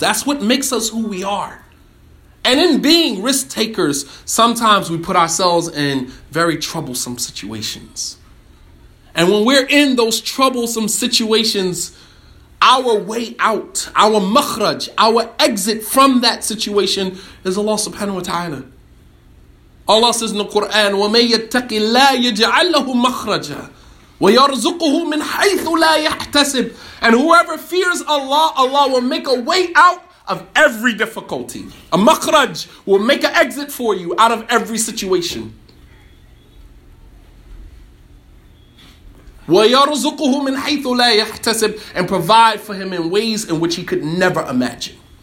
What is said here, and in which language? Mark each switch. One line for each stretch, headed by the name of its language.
English: That's what makes us who we are. And in being risk takers, sometimes we put ourselves in very troublesome situations. And when we're in those troublesome situations, our way out, our makhraj, our exit from that situation is Allah subhanahu wa ta'ala. Allah says in the Quran,
Arabic: وَمَن يَتَّقِ اللَّهَ يَجْعَلْ لَهُ مَخْرَجًا وَيَرْزُقُهُ مِنْ حَيْثُ لَا يَحْتَسِبْ.
English: And whoever fears Allah, Allah will make a way out of every difficulty. A makhraj will make an exit for you out of every situation.
Arabic: وَيَرْزُقُهُ مِنْ حَيْثُ لَا يَحْتَسِبْ.
English: And provide for him in ways in which he could never imagine.